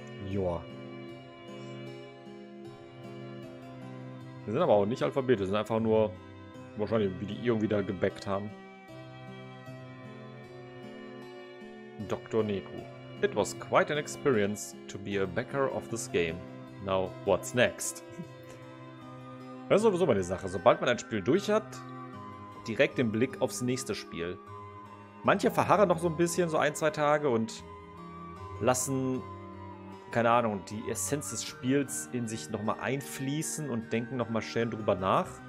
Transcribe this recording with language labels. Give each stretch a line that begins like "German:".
German: Joa. Wir sind aber auch nicht Alphabet, wir sind einfach nur wahrscheinlich, wie die irgendwie da gebackt haben.
English: Dr. Neku. It was quite an experience to be a backer of this game. Now, what's next?
German: Das ist sowieso meine Sache. Sobald man ein Spiel durch hat, direkt den Blick aufs nächste Spiel. Manche verharren noch so ein bisschen, so ein, zwei Tage und lassen, keine Ahnung, die Essenz des Spiels in sich nochmal einfließen und denken nochmal schön drüber nach.